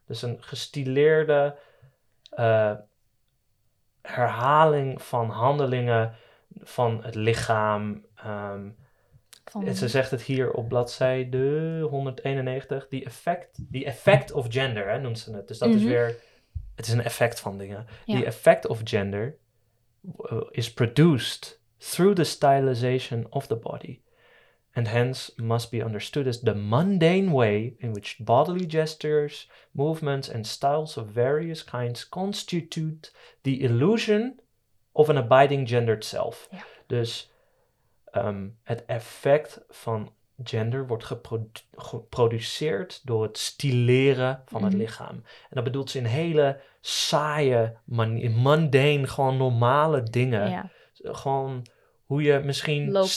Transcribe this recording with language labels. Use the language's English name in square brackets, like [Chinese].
[Dutch] Dus een gestileerde herhaling van handelingen van het lichaam. En ze zegt het hier op bladzijde 191. [English] The effect of gender, [Dutch] hè, noemt ze het. Dus dat is weer... Het is een effect van dingen. Ja. [English] The effect of gender is produced through the stylization of the body. And hence must be understood as the mundane way in which bodily gestures, movements and styles of various kinds constitute the illusion of an abiding gendered self. [Dutch] Ja. Dus het effect van gender wordt geproduceerd door het styleren van het lichaam. En dat bedoelt ze in hele saaie, mundane, gewoon normale dingen. Ja. Gewoon hoe je misschien